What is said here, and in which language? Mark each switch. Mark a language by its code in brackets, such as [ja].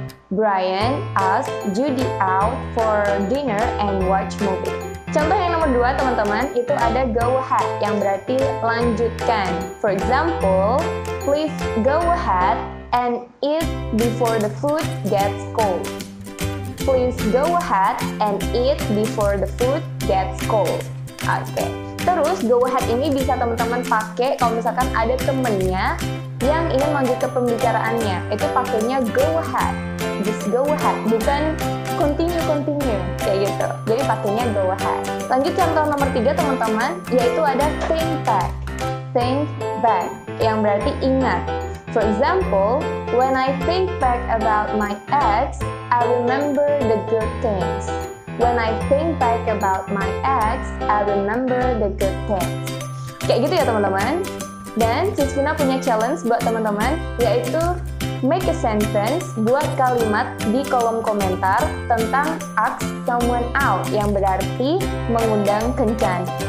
[en] Brian asked Judy out for dinner and watch movie. [id] Contoh yang nomor dua teman-teman, itu ada go ahead yang berarti lanjutkan. [en] For example, please go ahead and eat before the food gets cold. Please go ahead and eat before the food gets cold. [id] Oke. Terus go ahead ini bisa teman-teman pakai kalau misalkan ada temennya yang ingin melanjutkan pembicaraannya, itu pakainya go ahead. Just go ahead, bukan continue, kayak gitu. Jadi pakainya go ahead. Lanjut contoh nomor 3 teman-teman, yaitu ada think back yang berarti ingat. [en] For example, when I think back about my ex, I remember the good things. When I think back about my ex, I remember the good things. [id] Kayak gitu ya teman-teman. Dan Sisvina punya challenge buat teman-teman, yaitu [en] make a sentence, [id] buat kalimat di kolom komentar tentang ask someone out yang berarti mengundang kencan.